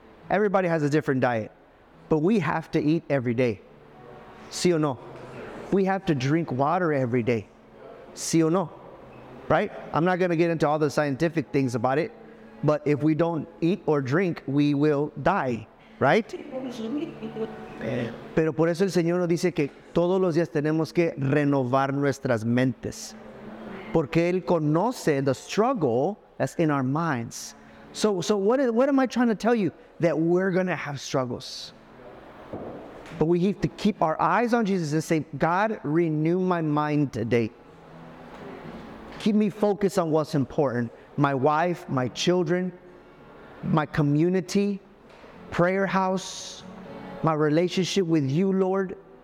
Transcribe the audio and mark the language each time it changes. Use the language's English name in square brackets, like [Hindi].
[English] Everybody has a different diet. But we have to eat every day. [Spanish] ¿Sí o no? [English] We have to drink water every day. [Spanish] ¿Sí o no? [English] Right? I'm not going to get into all the scientific things about it. But if we don't eat or drink, we will die, right? [Spanish] Pero por eso el Señor nos dice que todos los días tenemos que renovar nuestras mentes. Porque Él conoce [English] the struggle that's in our minds. So what am I trying to tell you? That we're going to have struggles. But we have to keep our eyes on Jesus and say, God, renew my mind today. Keep me focused on what's important. My wife, my children, my community, Prayer House, my relationship with you, Lord.